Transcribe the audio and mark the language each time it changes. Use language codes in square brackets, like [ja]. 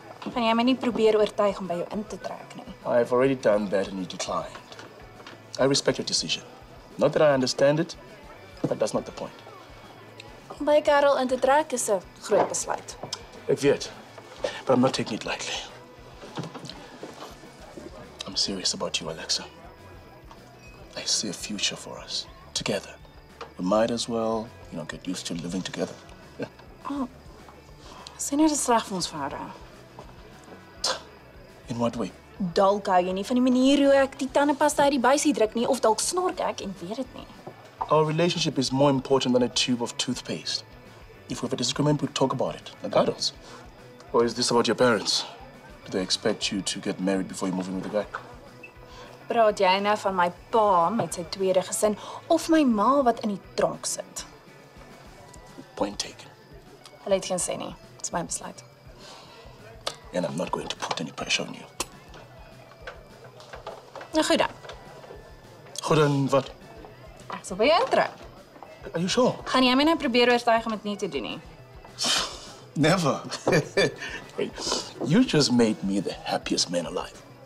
[af] Van jy my nie probeer oortuig om by jou in te trek nie. [en] I've already done that and you declined. I respect your decision. Not that I understand it, but that's not the point. [af] Om by Karel in te trek is 'n groot besluit. Ek weet, [en] but I'm not taking it lightly. I'm serious about you, Alexa. I see a future for us together. We might as well, you know, get used to living together. Oh. [af] Sien jy dit sleg vir ons verhouding? [en] In what way? [af] Dalk hou jy nie van die manier hoe ek die tandepasta uit die buisie druk nie, of dalk snork ek en weet dit nie. [en] Our relationship is more important than a tube of toothpaste. If we have a disagreement, we talk about it, like adults. Or is this about your parents? Do they expect you to get married before you move in with the guy? [af] Praat jy nou van my pa met sy tweede gesin of my ma wat in die tronk sit? [en] Point taken. [af] Hulle het geen sê nie. Dit is my besluit. [en] And I'm not going to put any pressure on you. [af] Nou, goed dan. Goed dan wat? Ek sal by jou intrek. [en] Are you sure? [af] Gaan jy my nou probeer oortuig om dit nie te doen nie? [en] Never. Hey, you just made me the happiest man alive.